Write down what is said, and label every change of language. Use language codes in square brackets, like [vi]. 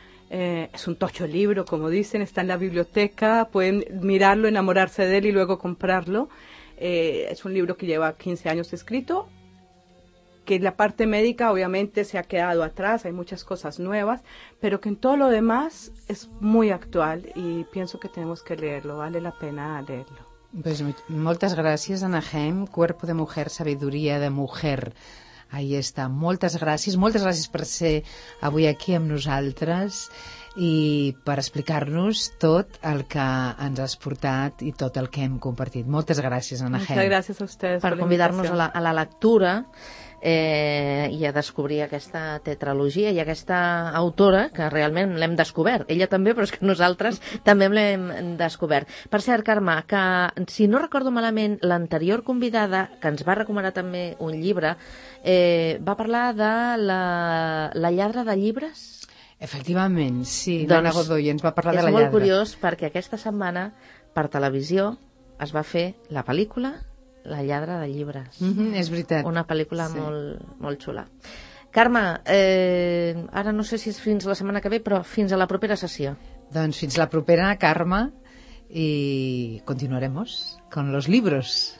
[es] Es un tocho libro, como dicen, está en la biblioteca, pueden mirarlo, enamorarse de él y luego comprarlo. Es un libro que lleva 15 años escrito, que la parte médica obviamente se ha quedado atrás, hay muchas cosas nuevas, pero que en todo lo demás es muy actual y pienso que tenemos que leerlo, vale la pena leerlo. [ca] Pues moltes gràcies, Anna Hem, Cuerpo de Mujer, Sabiduría de Mujer. [es] Ahí está, [ca] moltes gràcies per ser avui aquí amb nosaltres i per explicar-nos tot el que ens has portat i tot el que hem compartit. Moltes gràcies, Anna Hem. [es] Muchas gracias a ustedes [ca] per convidar-nos a la lectura. I a descobrir aquesta tetralogia i aquesta autora que realment l'hem descobert, ella també, però és que nosaltres també l'hem descobert. Per cert, Carme, que si no recordo malament, l'anterior convidada que ens va recomanar també un llibre va parlar de la lladra de llibres. Efectivament, sí, doncs, l'Anna Godoy ens va parlar de la lladra. És molt curiós perquè aquesta setmana per televisió es va fer la pel·lícula La lladra de llibres. Mm-hmm, és veritat. Una pel·lícula sí. Molt, molt xula. Carme, ara no sé si és fins la setmana que ve, però fins a la propera sessió. Doncs fins la propera, Carme, i continuarem [es] con los libros.